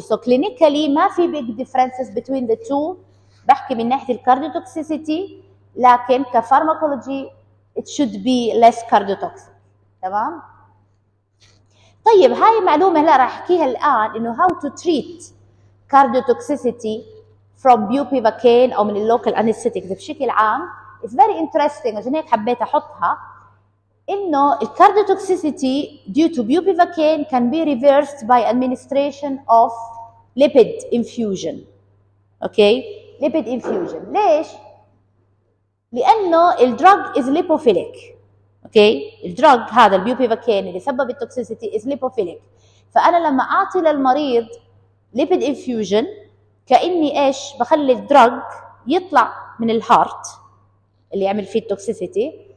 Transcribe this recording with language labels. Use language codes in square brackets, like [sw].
[en] so clinically [ar] ما في [en] big differences between the two, [ar] بحكي من ناحيه [en] الكارديوتوكسيسيتي، [ar] لكن كفارماكولوجي [en] It should be less cardiotoxic. [ar] تمام، طيب هاي معلومه هلا راح احكيها الان، انه [en] how to treat cardiotoxicity from bupivacaine [ar] او من اللوكال انستيتكس بشكل عام. [en] it's very interesting, [ar] عشان هيك حبيت احطها، إنه [en] الكارديوتوكسيسيتي due to bupivacaine can be reversed by administration of lipid infusion. Okay, lipid infusion. [ar] ليش؟ لأنه الدرج [en] is lipophilic. [ar] Okay, الدرج هذا البيوبيفاكين اللي سبب التوكسيسيتي [en] is lipophilic. [ar] فأنا لما أعطي للمريض lipid infusion كأني إيش؟ بخلي الدرج يطلع من الهارت اللي يعمل فيه التوكسيسيتي.